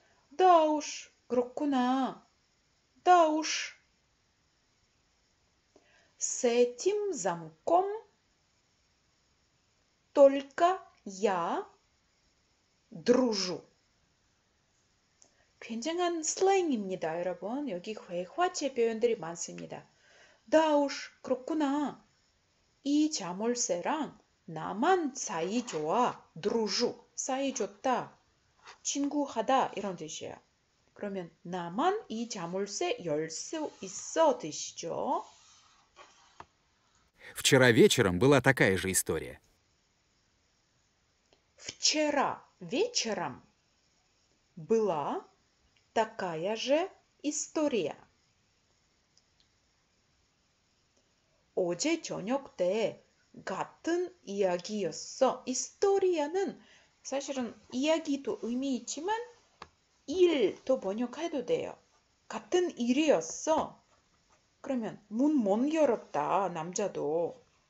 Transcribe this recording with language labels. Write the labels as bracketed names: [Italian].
[Russian] Да уж, [Korean] 그렇구나. [Russian] Да уж. С этим замком только я дружу. [Korean] 굉장한 슬랭입니다, 여러분. 여기 회화체 표현들이 많습니다. 다우쉬, 그렇구나. 이 자물쇠랑 나만 사이좋아. 드루쥬, 사이좋다. 친구하다, 이런 뜻이에요. 그러면 나만 이 자물쇠 열수 있어, 뜻이죠. [Russian] Вчера вечером была такая же история. Вчера вечером была такая же история. [Korean] 어제 저녁 때 같은 이야기였어. 이스토리아는 사실은 이야기도 의미이지만 일도 번역해도 돼요. 같은 일이었어. 그러면 문못 열었다, 남자도.